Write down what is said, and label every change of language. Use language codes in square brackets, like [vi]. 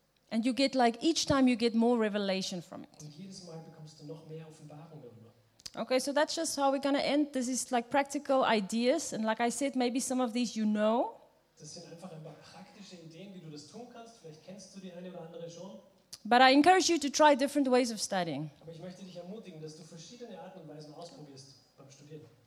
[en] And you get like each time you get more revelation from it. [de] Und jedes Mal bekommst du noch mehr Offenbarung darüber. [en] Okay, so that's just how we're going to end. This is like practical ideas. And like I said, maybe some of these you know. [de] Das sind einfach ein paar praktische Ideen, wie du das tun kannst. Vielleicht kennst du die eine oder andere schon. [en] But I encourage you to try different ways of studying. [de] Aber ich möchte dich ermutigen, dass du verschiedene Arten und Weisen ausprobierst beim Studieren.